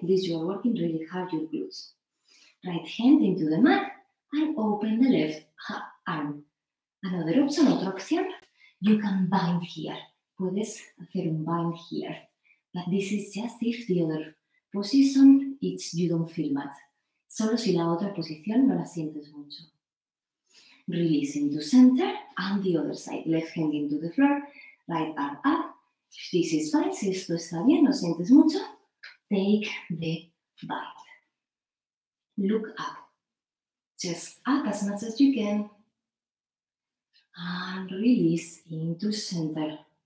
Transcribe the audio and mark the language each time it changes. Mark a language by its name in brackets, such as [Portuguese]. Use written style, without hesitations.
[English] This you are working really hard your glutes. Right hand into the mat and open the left arm. Another option, [Spanish] otra opción, [English] you can bind here. [Spanish] Puedes hacer un [English] bind here. But this is just if the other position it's you don't feel much. [Spanish] Solo si la otra posición no la sientes mucho. [English] Release into center and the other side. Left hand into the floor, right arm up. If this is fine, [Spanish] si esto está bien, no sientes mucho, [English] take the bind. Look up, just up as much as you can, and release into center.